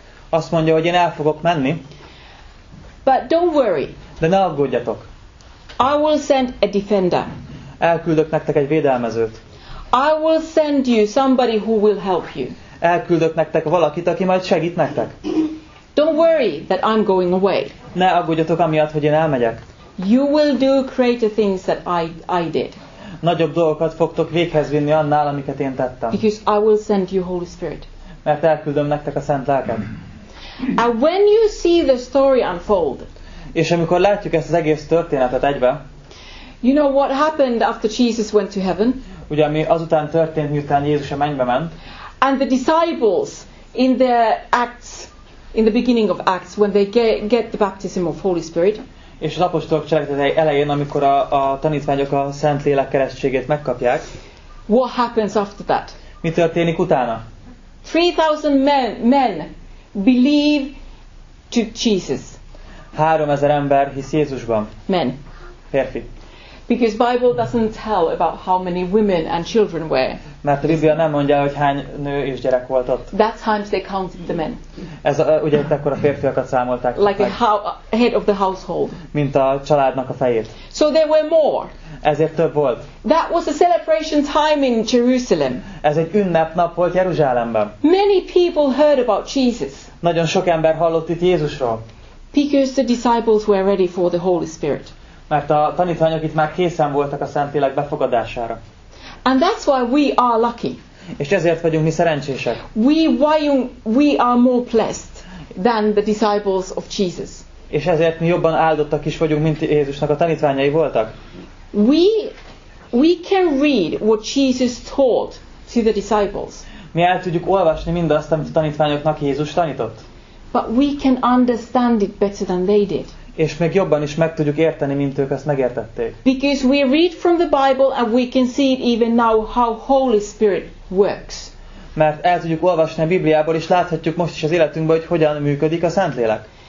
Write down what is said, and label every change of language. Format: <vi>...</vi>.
<hu>Azt mondja, hogy én el fogok menni.</hu> <en>But don't worry.</en> <hu>De ne aggódjatok.</hu> <en>I will send a defender.</en> <hu>Elküldök nektek egy védelmezőt.</hu> <en>I will send you somebody who will help you.</en> <hu>Elküldök nektek valakit, aki majd segít nektek.</hu> <en>Don't worry that I'm going away.</en> <hu>Ne aggódjatok amiatt, hogy én elmegyek.</hu> <en>You will do greater things that I did.</en> <hu>Nagyobb dolgokat fogtok véghez vinni annál, amiket én tettem.</hu> <en>Because I will send you Holy Spirit.</en> <hu>Mert elküldöm nektek a Szent Lelket.</hu> <en>And when you see the story unfold.</en> <hu>És amikor látjuk ezt az egész történetet egybe.</hu> <en>You know what happened after Jesus went to heaven?</en> <hu>Ugye ami azután történt, miután Jézus a mennybe ment.</hu> <en>And the disciples in their Acts, in the beginning of Acts, when they get the baptism of Holy Spirit.</en> <hu>És az apostolok cselekedetei elején, amikor a tanítványok a Szentlélek keresztségét megkapják.</hu> <en>What happens after that?</en> <hu>Mi történik utána?</hu> <en>3000 men believe to Jesus.</en> <hu>3000 ember hisz Jézusban.</hu> <en>Men.</en> <hu>Férfi.</hu> <en>Because Bible doesn't tell about how many women and children were.</en> <hu>Mert a Biblia nem mondja, hogy hány nő és gyerek volt ott.</hu> <en>That's how they counted the men.</en> <hu>Ez ugye akkor a férfiakat számolták.</hu> <en>Like a head of the household.</en> <hu>Mint a családnak a fejét.</hu> <en>So there were more.</en> <hu>Ezért több volt.</hu> <en>That was a celebration time in Jerusalem.</en> <hu>Ez egy ünnepnap volt Jeruzsálemben.</hu> <en>Many people heard about Jesus.</en> <hu>Nagyon sok ember hallott itt Jézusról.</hu> <en>Because the disciples were ready for the Holy Spirit.</en> <hu>Mert a tanítványok itt már készen voltak a Szentlélek befogadására.</hu> <en>And that's why we are lucky.</en> <hu>És ezért vagyunk mi szerencsések.</hu> <en>We are more blessed than the disciples of Jesus.</en> <hu>És ezért mi jobban áldottak is vagyunk, mint Jézusnak a tanítványai voltak.</hu> <en>We can read what Jesus taught to the disciples.</en> <hu>Mi el tudjuk olvasni mindazt, amit a tanítványoknak Jézus tanított.</hu> <en>But we can understand it better than they did.</en> <hu>És még jobban is meg tudjuk érteni, mint ők ezt megértették.</hu> <en>Because we read from the Bible and we can see it even now how Holy Spirit works.</en> <hu>Mert el tudjuk olvasni a Bibliából, és láthatjuk most is az életünkben, hogy hogyan működik a Szentlélek.</hu>